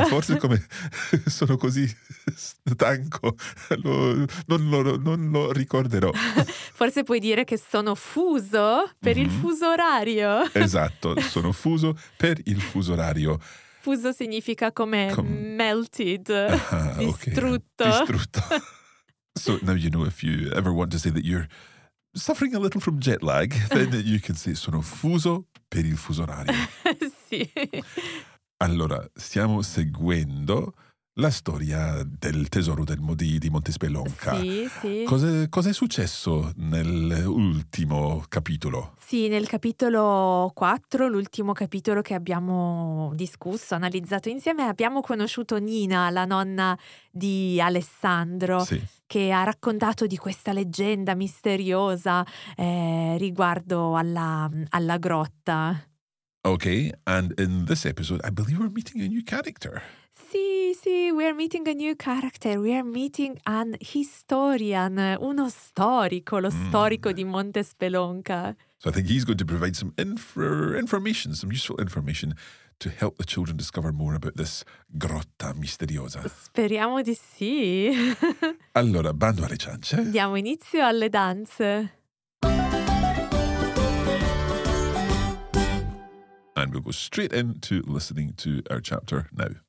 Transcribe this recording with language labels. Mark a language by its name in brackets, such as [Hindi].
[Italian] Ma forse come sono così stanco, non lo ricorderò. Forse puoi dire che sono fuso per il fuso orario. Esatto, sono fuso per il fuso orario. Fuso significa come melted, distrutto. Okay. Distrutto. [English] So now you know if you ever want to say that you're suffering a little from jet lag, then you can say [Italian] sono fuso per il fuso orario. Sì. Allora, stiamo seguendo la storia del tesoro del Modi di Montespelonca. Sì, sì. Cos'è successo nell'ultimo capitolo? Sì, nel capitolo 4, l'ultimo capitolo che abbiamo discusso, analizzato insieme, abbiamo conosciuto Nina, la nonna di Alessandro, sì, che ha raccontato di questa leggenda misteriosa riguardo alla grotta. [English] Ok, and in this episode I believe we're meeting a new character. Sì, sì, we're meeting a new character, we're meeting an historian, [Italian] uno storico, lo storico di Montespelonca. [English] So I think he's going to provide some information, some useful information to help the children discover more about this [Italian] grotta misteriosa. Speriamo di sì. Allora, bando alle ciance. Diamo inizio alle danze. [English] And we'll go straight into listening to our chapter now.